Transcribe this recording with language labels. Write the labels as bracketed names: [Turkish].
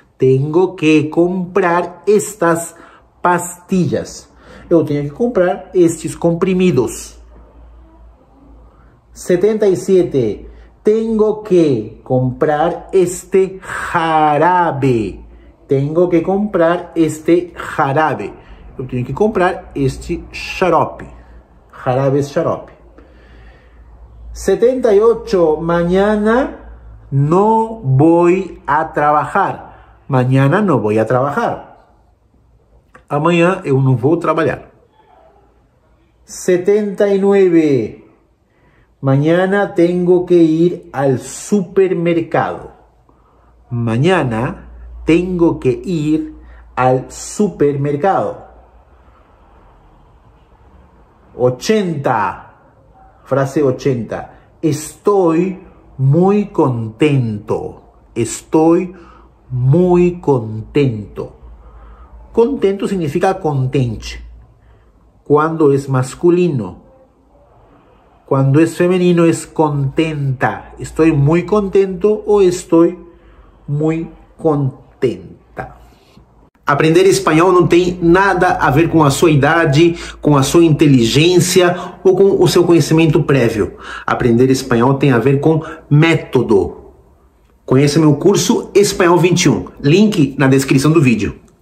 [Spanish] Tengo que comprar estas pastillas. [Portuguese] Eu tenho que comprar estes comprimidos. [Spanish] 77. Tengo que comprar este jarabe. Tengo que comprar este jarabe. [Portuguese] Eu tenho que comprar este xarope. [Spanish] Jarabe es xarope. 78. Mañana no voy a trabajar. Mañana no voy a trabajar. [Portuguese] Amanhã eu não vou trabalhar. [Spanish] 79. Mañana tengo que ir al supermercado. Mañana tengo que ir al supermercado. 80. Frase 80. Estoy muy contento. Estoy muy contento. Contento significa contente. Cuando es masculino. Cuando es femenino es contenta. Estoy muy contento o estoy muy contenta. [Portuguese] Aprender espanhol não tem nada a ver com a sua idade, com a sua inteligência ou com o seu conhecimento prévio. Aprender espanhol tem a ver com método. Conheça meu curso Espanhol 21. Link na descrição do vídeo.